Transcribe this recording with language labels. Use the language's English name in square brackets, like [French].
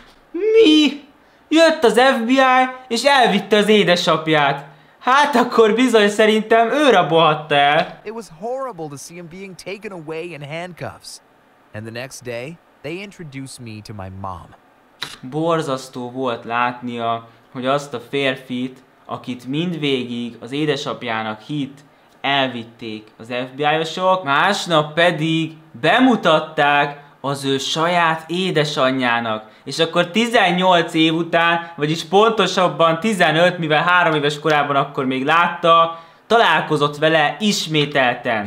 [Hungarian] Mi? Jött az FBI és elvitte az édesapját. Hát akkor bizony szerintem ő rabolhatta el. [English] It was horrible to see him being taken away in handcuffs. And the next day, they introduced me to my mom. [Hungarian] Borzasztó volt látnia, hogy azt a férfit, akit mindvégig az édesapjának hitt, elvitték az FBI-osok. Másnap pedig bemutatták az ő saját édesanyjának. És akkor 18 év után, vagyis pontosabban 15, mivel 3 éves korában akkor még látta, találkozott vele ismételten.